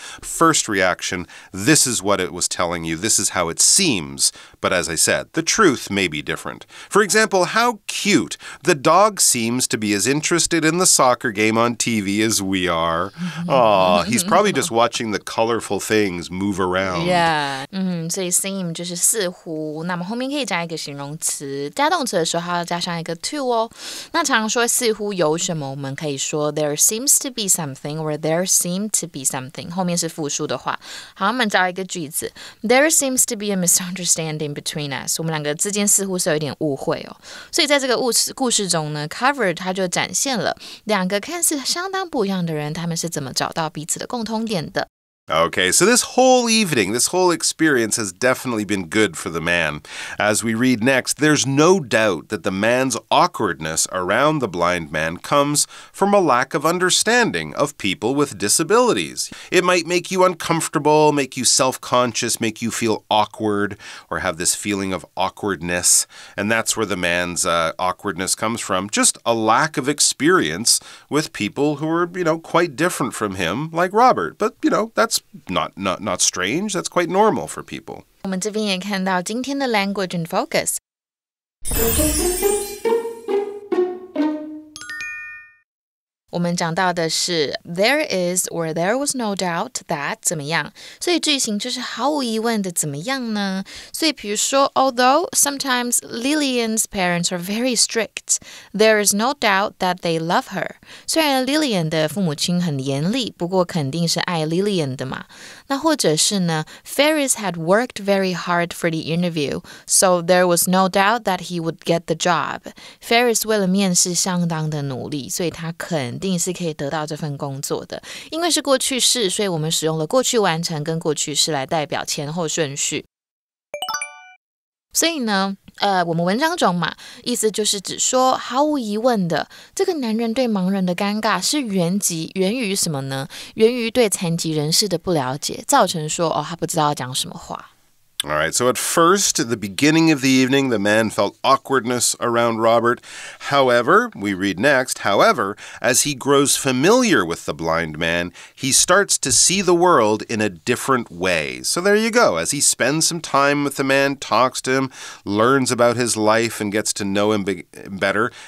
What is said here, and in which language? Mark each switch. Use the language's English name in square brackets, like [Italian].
[English] First reaction, this is what it was telling you. This is how it seems. But as I said, the truth may be different. For example, how cute. The dog seems to be as interested in the soccer game on TV as we are. Aw, he's probably just watching the colorful things move around. Yeah. Mm-hmm. So seem [Chinese] 就是似乎。那么后面可以加一个形容词。加动词的时候还要加上一个 to 哦。那常说似乎有什么我们可以说 [English] there seems to be something or there seem to be something. [Chinese] 后面是复数的话。好我们加一个句子。 [English] There seems to be a misunderstanding. In between us, [Chinese] 我们两个之间似乎是有点误会哦。所以在这个故事中呢 ，Cover 他就展现了两个看似相当不一样的人，他们是怎么找到彼此的共通点的。 [English] Okay, so this whole evening, this whole experience has definitely been good for the man. As we read next, there's no doubt that the man's awkwardness around the blind man comes from a lack of understanding of people with disabilities. It might make you uncomfortable, make you self-conscious, make you feel awkward, or have this feeling of awkwardness. And that's where the man's awkwardness comes from. Just a lack of experience with people who are, you know, quite different from him, like Robert. But, you know, that's not strange. That's quite normal for people. [Chinese] 我们这边也看到今天的 [English] language and focus. There is or there was no doubt that [Chinese] 怎么样？所以句型就是毫无疑问的怎么样呢？所以比如说 [English] although sometimes Lillian's parents are very strict, there is no doubt that they love her. [Chinese] 虽然 Lillian 的父母亲很严厉，不过肯定是爱 Lillian 的嘛。那或者是呢 [English] Ferris had worked very hard for the interview, so there was no doubt that he would get the job. [Chinese] Ferris 为了面试相当的努力，所以他肯定是可以得到这份工作的。因为是过去式，所以我们使用了过去完成跟过去式来代表前后顺序。所以呢，我们文章中嘛，意思就是指说，毫无疑问的，这个男人对盲人的尴尬是源于什么呢？源于对残疾人士的不了解，造成说，哦，他不知道要讲什么话。 [English] All right, so at first, at the beginning of the evening, the man felt awkwardness around Robert. However, we read next, as he grows familiar with the blind man, he starts to see the world in a different way. So there you go. As he spends some time with the man, talks to him, learns about his life, and gets to know him better.